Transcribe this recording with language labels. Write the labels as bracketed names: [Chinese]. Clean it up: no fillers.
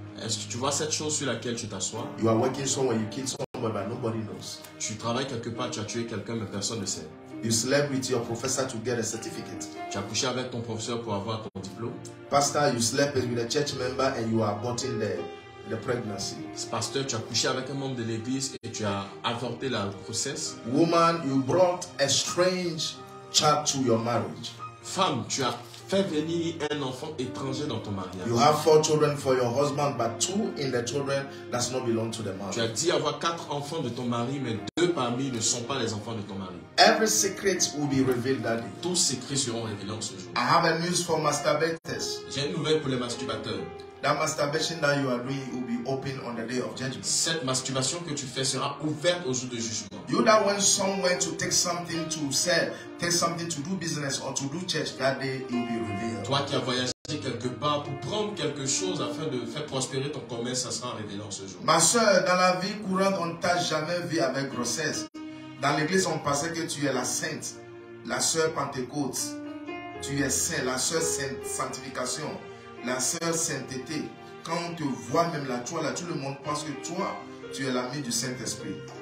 [French] Est-ce que tu vois cette chose sur laquelle tu t'assois? [English] You are working somewhere, you kill somebody, but nobody knows. [French] Tu travailles quelque part, tu as tué quelqu'un, mais personne ne sait. [English] You slept with your professor to get a certificate. [French] Tu as couché avec ton professeur pour avoir ton diplôme. [English] Pastor, you slept with a church member and you are aborting the pregnancy. [French] Pasteur, tu as couché avec un membre de l'église et tu as avorté la grossesse. [English] Woman, you brought a strange child to your marriage. [French] Femme, tu as fait venir un enfant étranger dans ton mariage. [English] You have four children for your husband, but two in the children does not belong to the marriage. [French] Tu as dit avoir quatre enfants de ton mari, mais deux parmi ne sont pas les enfants de ton mari. [English] Every secret will be revealed that day. [French] Tous secrets seront révélés ce jour. [English] I have a news for masturbators. [French] J'ai une nouvelle pour les masturbateurs. [English] That masturbation that you are doing will be open on the day of judgment. [French] Cette masturbation que tu fais sera ouverte au jour de jugement. [English] You that went somewhere to take something to sell, take something to do business or to do church, that day it will be revealed. [French] Toi qui as voyagé quelque part pour prendre quelque chose afin de faire prospérer ton commerce, ça sera révélé en ce jour. Ma soeur, dans la vie courante, on ne t'a jamais vu avec grossesse. Dans l'église, on pensait que tu es la sainte, la soeur Pentecôte. Tu es saint, la soeur sanctification. La sœur sainteté, quand on te voit même là, toi là, tout le monde pense que toi, tu es l'ami du Saint-Esprit.